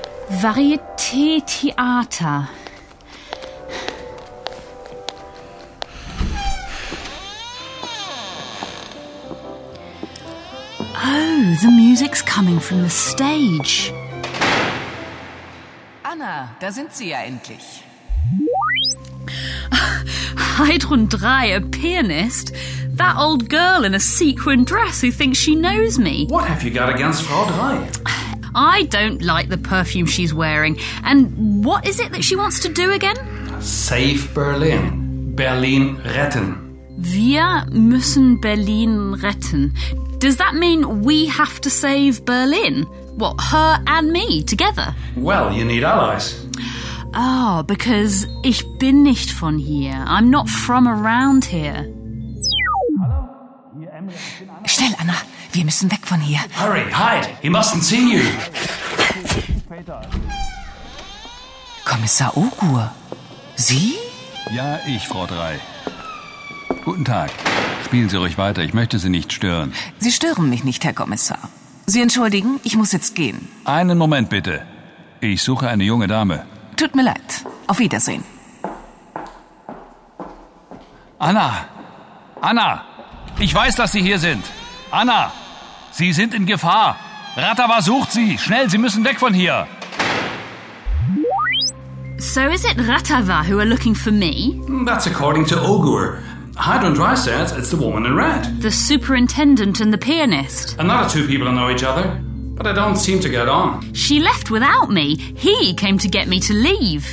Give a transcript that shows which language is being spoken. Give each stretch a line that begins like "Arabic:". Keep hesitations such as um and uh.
German: Varieté Theater.
English: Oh, the music's coming from the stage.
German: Anna, da sind Sie ja endlich.
English: Heidrun 3, pianist? that old girl in a sequin dress who thinks she knows me. What have you got against Frau Drei? I don't like the perfume she's wearing. And what is it that she wants to do again? Save Berlin. Yeah.
German: Berlin retten. Wir müssen Berlin retten.
English: Does that mean we have to save Berlin? What, her and me together? Well, you need allies. Ah, oh, because
German: ich bin nicht von hier.
English: I'm not from around here.
German: Schnell, Anna, wir müssen weg von hier.
English: Hurry, hide, he mustn't see you.
German: Kommissar Ogur, Sie? Ja, ich, Frau Drei. Guten Tag. Spielen Sie ruhig weiter, ich möchte Sie nicht stören. Sie stören mich nicht, Herr Kommissar. Sie entschuldigen, ich muss jetzt gehen. Einen Moment bitte. Ich suche eine junge Dame. Tut mir leid. Auf Wiedersehen. Anna! Anna! Ich weiß, dass Sie hier sind. Anna, Sie sind in Gefahr. Ratawa sucht Sie. Schnell, Sie müssen weg von hier.
English: So is it Ratava who are looking for me? That's according to Ogur. Hydron says it's the woman in red. The superintendent and the pianist. Another two people who know each other, but they don't seem to get on. She left without me. He came to get me to leave.